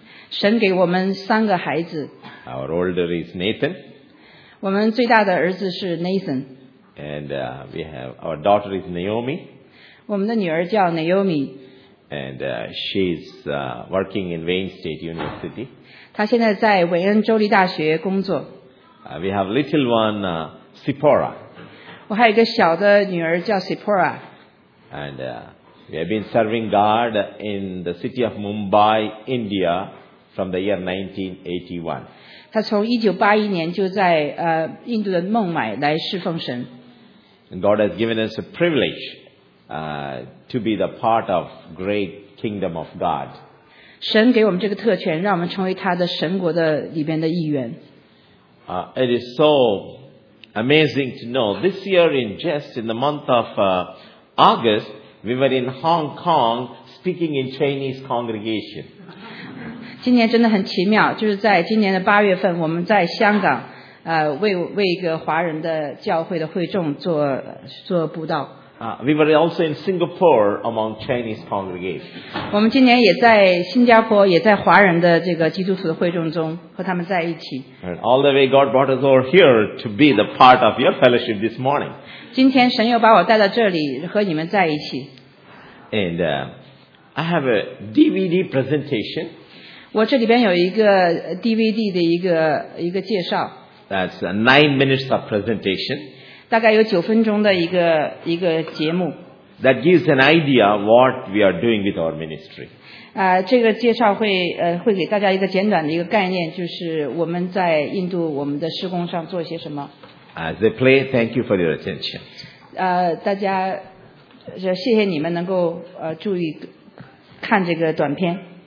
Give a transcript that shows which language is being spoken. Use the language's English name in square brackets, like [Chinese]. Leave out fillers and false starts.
[Chinese] 神给我们三个孩子。 [English] Our older is Nathan. [Chinese] 我们最大的儿子是 Nathan. [English] And we have our daughter is Naomi. [Chinese] 我们的女儿叫 Naomi. [English] And she's working in Wayne State University. [Chinese] 她现在在韦恩州立大学工作。 [English] We have little one, Sipora. [Chinese] 我还有一个小的女儿叫 Sipora. [English] And we have been serving God in the city of Mumbai, India from the year 1981. [Chinese] 他从1981年就在印度的孟买来侍奉神。 [English] God has given us a privilege to be the part of great kingdom of God. [Chinese] 神给我们这个特权，让我们成为他的神国的里边的一员。 [English] It is so amazing to know this year in just in the month of August, we were in Hong Kong speaking in Chinese congregation. [Chinese] 今年真的很奇妙，就是在今年的八月份，我们在香港，为一个华人的教会的会众做布道。 [English] We were also in Singapore among Chinese congregation. [Chinese] 我们今年也在新加坡，也在华人的这个基督徒的会众中和他们在一起。 [English] And all the way God brought us over here to be the part of your fellowship this morning. [Chinese] 今天神又把我带到这里和你们在一起。 [English] And I have a DVD presentation. [Chinese] 我这里边有一个 DVD 的一个介绍。 [English] That's a 9 minutes of presentation. [Chinese] 大概有九分钟的一个节目。 [English] That gives an idea what we are doing with our ministry. [Chinese] 这个介绍会给大家一个简短的一个概念，就是我们在印度我们的施工上做些什么。 [English] As they play, thank you for your attention. [Chinese] 大家谢谢你们能够注意看这个短片。